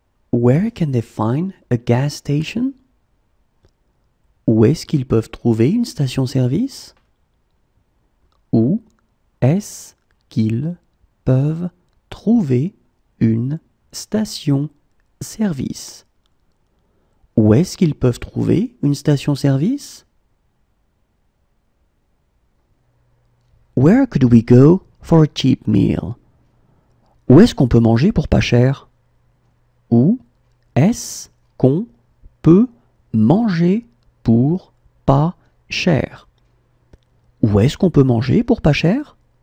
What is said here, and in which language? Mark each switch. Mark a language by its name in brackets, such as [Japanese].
[English] Where can they find a gas station? [French] Où est-ce qu'ils peuvent trouver une station-service? Où est-ce qu'ils peuvent trouver une station-service? Où est-ce qu'ils peuvent trouver une station-service? [English] Where could we go for a cheap meal? [French] Où est-ce qu'on peut manger pour pas cher? Où est-ce qu'on peut manger pour pas cher? Où est-ce qu'on peut manger pour pas cher?